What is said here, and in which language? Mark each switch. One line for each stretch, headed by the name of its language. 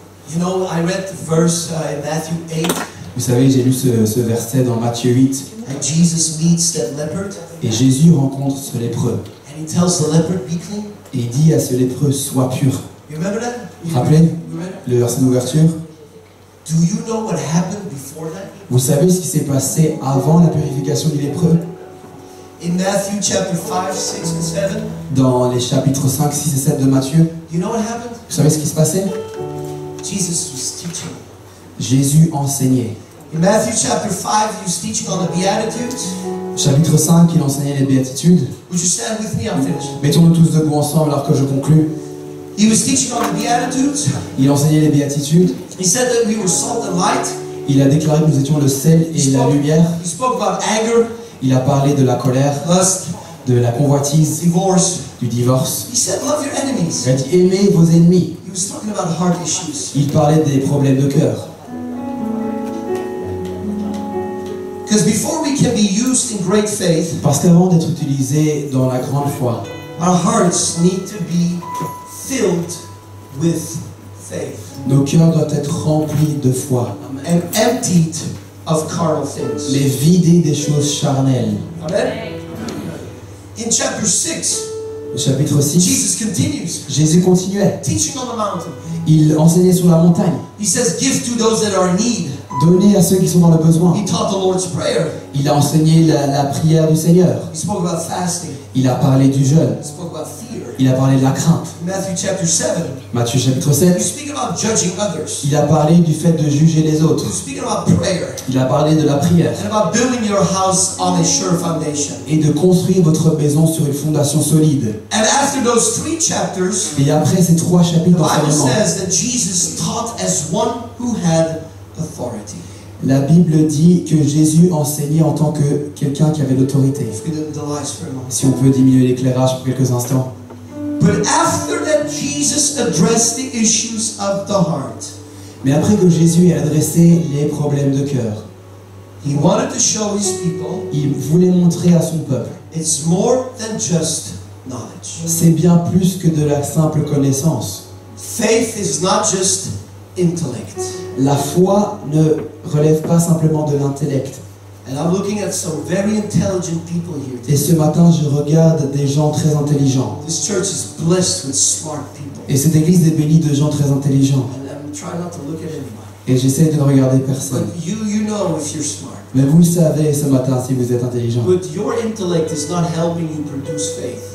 English: You know, I read the verse in Matthew 8.
French: Vous savez, j'ai lu ce verset dans Matthieu 8.
English: And Jesus meets that leopard.
French: Et Jésus rencontre ce lépreux.
English: And he tells the leopard, be clean.
French: Et il dit à ce lépreux, sois pur.
English: You remember that?
French: Rappelez le verset d'ouverture.
English: Do you know what happened before that?
French: Vous savez ce qui s'est passé avant la purification du lépreux?
English: In Matthew chapter 5, 6 and 7.
French: Dans les chapitres 5, 6 et 7 de Matthieu.
English: You know what happened?
French: Vous savez ce qui se passait?
English: Jesus was teaching.
French: Jésus enseignait.
English: In Matthew chapter 5, he was teaching on the Beatitudes.
French: Chapitre 5, il enseignait les Béatitudes.
English: Would you stand with me? I'm finished.
French: Mettons-nous tous debout ensemble alors que je conclue.
English: He was teaching on the Beatitudes.
French: Il enseignait les Béatitudes.
English: He said that we were salt and light.
French: Il a déclaré que nous étions le sel et la lumière.
English: He spoke about anger.
French: Il a parlé de la colère.
English: Lust.
French: De la convoitise.
English: Divorce.
French: Du divorce.
English: He said, love your enemies.
French: Il a dit, aimez vos ennemis.
English: He was talking about heart issues.
French: Il parlait des problèmes de cœur.
English: Because before we can be used in great faith,
French: parce qu'avant d'être utilisé dans la grande foi,
English: our hearts need to be filled with faith.
French: Nos cœurs doivent être remplis de foi.
English: Amen. And emptied of carnal things.
French: Mais vidés des choses charnelles.
English: Amen. In chapter 6.
French: Chapitre 6.
English: Jesus continues.
French: Jésus continuait.
English: Teaching on the mountain.
French: Il enseignait sur la montagne.
English: He says, give to those that are in need.
French: Donnez à ceux qui sont dans le besoin.
English: He taught the Lord's prayer.
French: Il a enseigné la prière du Seigneur.
English: He spoke about fasting.
French: Il a parlé du jeûne.
English: He spoke about fear.
French: Il a parlé de la crainte.
English: Matthew chapter 7.
French: Matthieu chapitre 7.
English: He speak about judging others.
French: Il a parlé du fait de juger les autres.
English: He speak about prayer.
French: Il a parlé de la prière.
English: And about building your house on a sure foundation.
French: Et de construire votre maison sur une fondation solide.
English: And after those three chapters,
French: et après ces trois chapitres,
English: the Bible says that Jesus taught as one who had authority.
French: La Bible dit que Jésus enseignait en tant que quelqu'un qui avait l'autorité. Si on peut diminuer l'éclairage pour quelques instants.
English: But after that, Jesus addressed the issues of the heart.
French: Mais après que Jésus ait adressé les problèmes de cœur,
English: he wanted to show his people,
French: il voulait montrer à son peuple,
English: it's more than just knowledge.
French: C'est bien plus que de la simple connaissance.
English: Faith is not just intellect.
French: La foi ne relève pas simplement de l'intellect.
English: And I'm looking at some very intelligent people here today.
French: Et ce matin, je regarde des gens très intelligents.
English: This church is blessed with smart people.
French: Et cette église est bénie de gens très intelligents.
English: And I'm trying not to look at anybody.
French: Et j'essaie de ne regarder personne.
English: But you know if you're smart.
French: Mais vous savez ce matin si vous êtes intelligent.
English: But your intellect is not helping you produce faith.